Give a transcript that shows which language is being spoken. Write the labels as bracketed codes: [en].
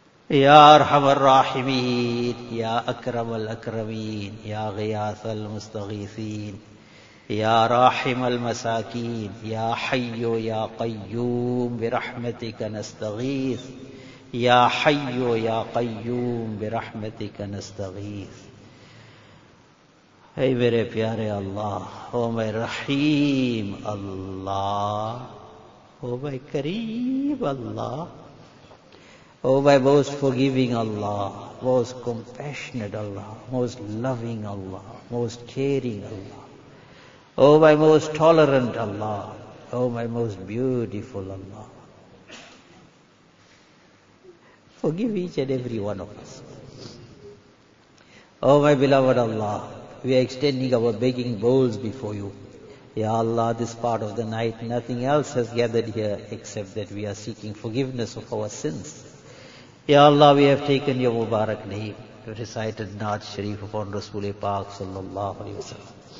[ar] يا أرحم الراحمين, يا أكرم الأكرمين, يا غياث المستغيثين, يا راحم المساكين, يا حي يا قيوم برحمتك نستغيث, يا حي يا قيوم برحمتك نستغيث. [ur] اے میرے پیارے اللہ, او میرے رحیم اللہ, او میرے کریم اللہ, [en] او میرے most forgiving اللہ, موسٹ کمپیشنیٹ اللہ, موسٹ لونگ اللہ, موسٹ کیئرنگ اللہ, او میرے موسٹ ٹالرنٹ اللہ, او میرے موسٹ بیوٹیفل اللہ, forgive each and every one of us. او میرے بیلوڈ اللہ, we are extending our begging bowls before you. Ya Allah, this part of the night, nothing else has gathered here except that we are seeking forgiveness of our sins. Ya Allah, we have taken your Mubarak name, recited Naat Sharif upon Rasool-e Paak sallallahu alayhi wa sallam.